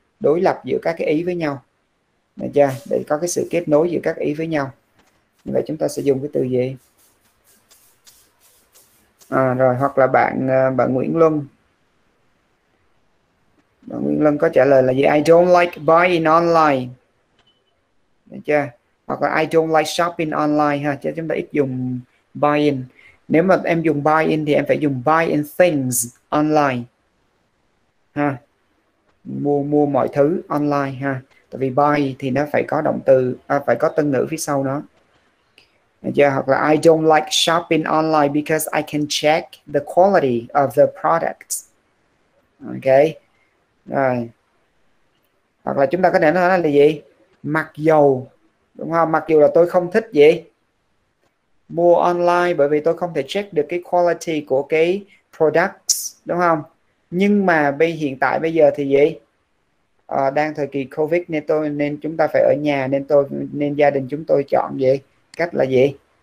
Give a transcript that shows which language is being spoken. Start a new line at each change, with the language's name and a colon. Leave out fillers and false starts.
Vietnamese: Đối lập giữa các cái ý với nhau. Được chưa? Để có cái sự kết nối giữa các ý với nhau. Như vậy chúng ta sử dụng cái từ gì? À, rồi hoặc là bạn bạn Nguyễn Luân. Bạn Nguyễn Lân có trả lời là gì?
English: I don't like buying online.
Vietnamese: Được chưa? Hoặc là
English: I don't like shopping online ha.
Vietnamese: Chứ chúng ta ít dùng buying. Nếu mà em dùng buying thì em phải dùng buying things online. Ha. Mua mua mọi thứ online ha. Tại vì buy thì nó phải có động từ, phải có từ ngữ phía sau nó. Được chưa? Hoặc là
English: I don't like shopping online because I can check the quality of the products.
Vietnamese: Okay. Rồi. Hoặc là chúng ta có thể nói là gì? Mặc dù, đúng không? Mặc dù là tôi không thích gì mua online bởi vì tôi không thể check được cái quality của cái products, đúng không? Nhưng mà bây hiện tại bây giờ thì gì? À, đang thời kỳ COVID nên tôi nên chúng ta phải ở nhà nên tôi nên gia đình chúng tôi chọn gì? Cách là gì?